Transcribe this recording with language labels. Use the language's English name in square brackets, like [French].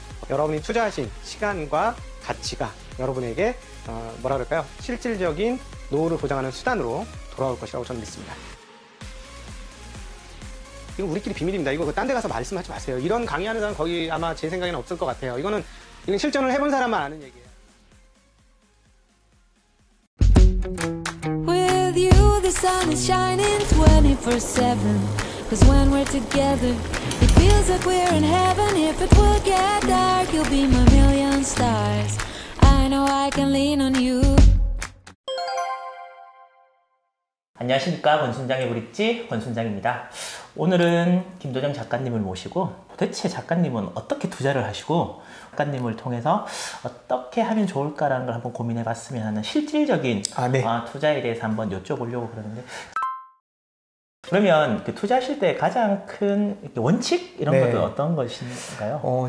[Korean] 여러분이 투자하신 시간과 가치가 여러분에게 뭐라 그럴까요? 실질적인 노후를 보장하는 수단으로 돌아올 것이라고 저는 믿습니다. 이거 우리끼리 비밀입니다. 이거 딴 데 가서 말씀하지 마세요. 이런 강의하는 사람 거의 아마 제 생각에는 없을 것 같아요. 이건 실전을 해본 사람만 아는 얘기예요. [English] With you the sun is shining 24/7 Cause when we're together It feels like we're in heaven If it will get dark You'll be my million stars I know I can lean on you [Korean] 안녕하십니까. 권순장의 브릿지 권순장입니다. 오늘은 김도정 작가님을 모시고 도대체 작가님은 어떻게 투자를 하시고 작가님을 통해서 어떻게 하면 좋을까라는 걸 한번 고민해 봤으면 하는 실질적인 투자에 대해서 한번 여쭤보려고 그러는데 그러면 투자하실 때 가장 큰 원칙 이런 것들 어떤 것인가요?